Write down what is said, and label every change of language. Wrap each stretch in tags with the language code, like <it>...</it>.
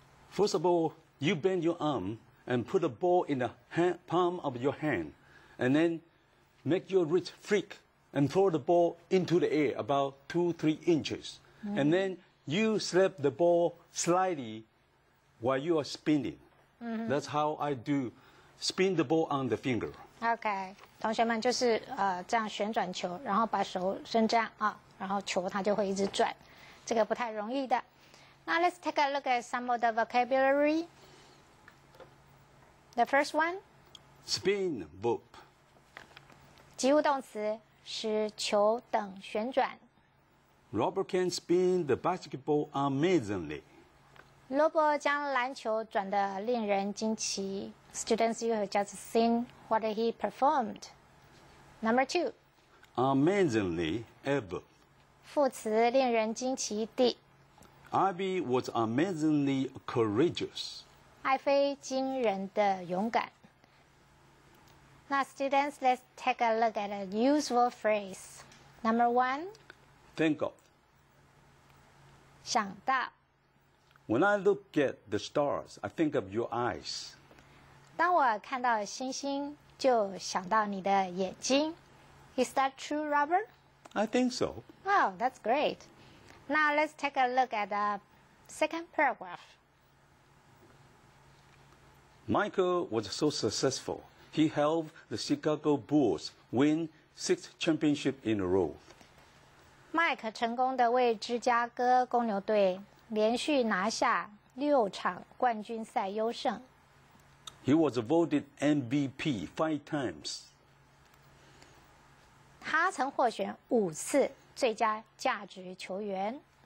<en>First of all, you bend your arm and put the ball in the hand, palm of your hand, and then make your wrist flick and throw the ball into the air about 2-3 inches. Mm. And then you slap the ball slightly while you are spinning. Mm-hmm. That's how I do. Spin the ball on the finger. Okay.</en> <zh>同学们就是这样旋转球，然后把手伸这样啊，然后球它就会一直转。这个不太容易的。</zh> <en>Now let's take a look at some of the vocabulary. The first one. Spin, whoop.</en> <zh>及物动词，使球等旋转。</zh> <en>Robert can spin the basketball amazingly.</en> <zh>罗伯将篮球转得令人惊奇。</zh> <en>Students, you have just seen what he performed. Number two. Amazingly ever.</en> <zh>副词令人惊奇地。</zh> <en>Ivy was amazingly courageous.</en> <zh>艾菲惊人的勇敢。</zh> <en>Now, students, let's take a look at a useful phrase. Number one. Think of.</en> <zh>想到。</zh> <en>When I look at the stars, I think of your eyes.</en> <zh>当我看到星星，就想到你的眼睛。</zh> <en>Is that true, Robert? I think so. Oh, that's great. Now, let's take a look at the second paragraph. Michael was so successful. He helped the Chicago Bulls win 6 championships in a row.</en> <zh>Mike 成功地为芝加哥公牛队连续拿下六场冠军赛优胜。</zh> <en>He was voted MVP 5 times.</en> <zh>他曾获选五次最佳价值球员。</zh>